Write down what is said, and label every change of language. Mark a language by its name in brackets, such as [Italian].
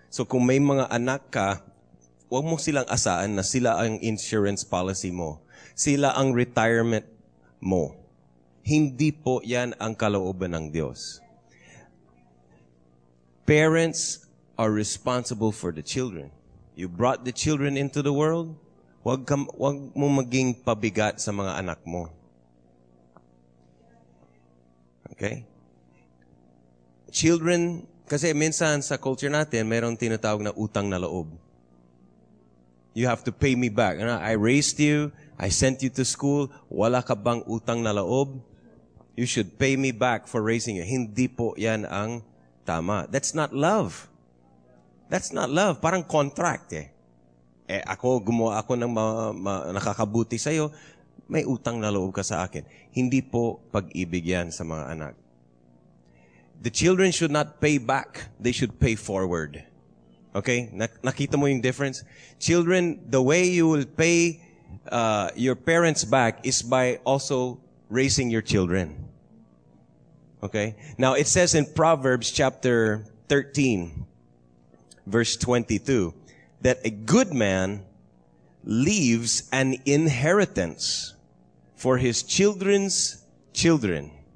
[Filipino] So kung may mga anak ka, huwag mo silang asaan na sila ang insurance policy mo. Sila ang retirement mo. Hindi po yan ang kalooban ng Diyos. [English] Parents are responsible for the children. You brought the children into the world, [Filipino] huwag mo maging pabigat sa mga anak mo. Okay? Children, kasi minsan sa culture natin, mayroong tinatawag na utang na loob. [English] You have to pay me back. You know, I raised you, I sent you to school, [Filipino] wala ka bang utang na loob? [English] You should pay me back for raising you. [Filipino] Hindi po yan ang tama. [English] That's not love. That's not love. [Filipino] Parang contract eh. Eh ako, gumawa ako ng nakakabuti sa'yo, may utang na loob ka sa akin. Hindi po pag-ibig yan sa mga anak. [English] The children should not pay back, they should pay forward. Okay? [Filipino] Nakita mo yung difference? [English] Children, the way you will pay your parents back is by also raising your children. Okay? Now, it says in Proverbs chapter 13, verse 22, that a good man leaves an inheritance for his children's children.